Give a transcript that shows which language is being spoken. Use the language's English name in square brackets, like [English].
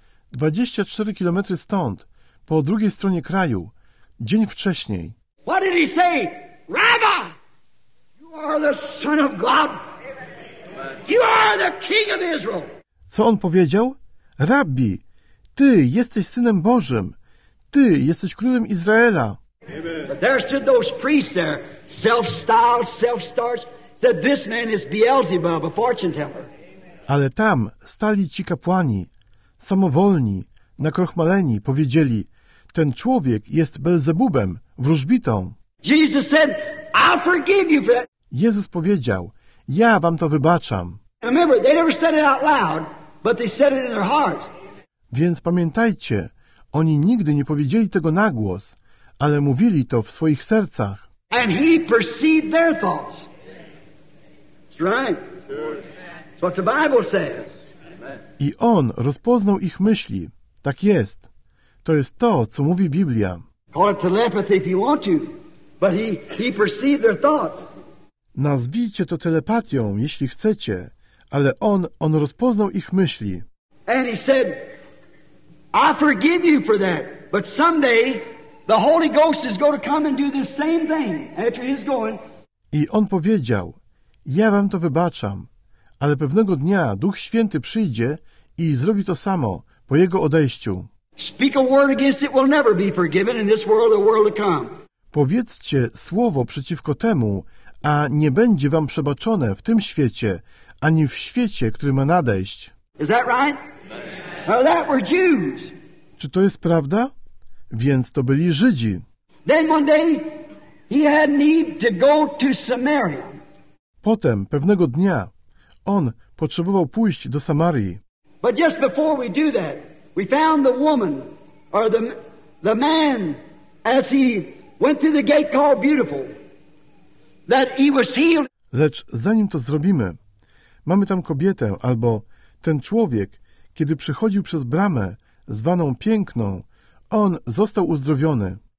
[Polish] 24 kilometry stąd, po drugiej stronie kraju, dzień wcześniej. [English] What did he say? "Rabbi, you are the son of God. You are the king of Israel." [Polish] Co on powiedział? Rabbi, ty jesteś Synem Bożym. Ty jesteś Królem Izraela. [English] But there stood those priests there, self-styled, self-starched, said this man is Beelzebub, a fortune teller. [Polish] Ale tam stali ci kapłani, samowolni, nakrochmaleni, powiedzieli, ten człowiek jest Belzebubem, wróżbitą. [English] Jesus said, I'll forgive you for that. [Polish] Jezus powiedział, ja wam to wybaczam. [English] Remember, they never said it out loud, but they said it in their hearts. [Polish] Więc pamiętajcie, oni nigdy nie powiedzieli tego na głos, ale mówili to w swoich sercach. [English] And he perceived their thoughts. That's right. That's what the Bible says. [Polish] I on rozpoznał ich myśli. Tak jest. To jest to, co mówi Biblia. [English] Call it telepathy if you want to, but he perceived their thoughts. [Polish] Nazwijcie to telepatią, jeśli chcecie, ale on rozpoznał ich myśli. [English] And he said, I forgive you for that, but someday the Holy Ghost is going to come and do the same thing after he's going. [Polish] I on powiedział, ja wam to wybaczam, ale pewnego dnia Duch Święty przyjdzie i zrobi to samo po jego odejściu. [English] Speak a word against it will never be forgiven in this world or the world to come. [Polish] Powiedzcie słowo przeciwko temu, a nie będzie wam przebaczone w tym świecie, ani w świecie, który ma nadejść. [English] Is that right? Now that were Jews. [Polish] Czy to jest prawda? Więc to byli Żydzi. [English] Then one day he had need to go to Samaria. [Polish] Potem pewnego dnia on potrzebował pójść do Samarii. [English] But just before we do that, we found the woman or the man as he went through the gate called Beautiful. That he was healed. [Polish] Lecz zanim to zrobimy, mamy tam kobietę albo ten człowiek, kiedy przychodził przez bramę zwaną Piękną, on został uzdrowiony.